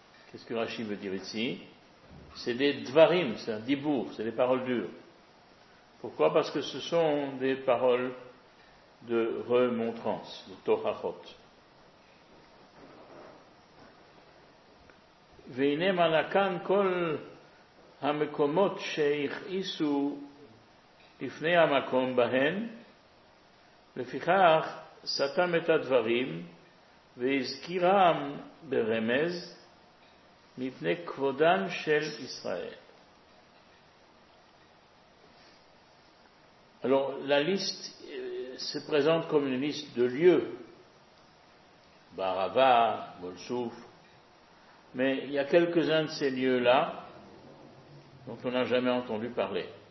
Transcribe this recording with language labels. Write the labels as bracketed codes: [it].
[fr] Qu'est-ce que Rashi veut dire ici? C'est des Dvarim, c'est un dibour, c'est des paroles dures. Pourquoi? Parce que ce sont des paroles de remontrance, de tochachot. [he] והנה מלאכן כל המקומות שהכעיסו לפני המקום בהן, לפיכך סתם את הדברים והזכירם ברמז מפני כבודן של ישראל. [fr] Alors, la liste se présente comme une liste de lieux. Barava, Bolsouf. Mais il y a quelques-uns de ces lieux-là dont on n'a jamais entendu parler.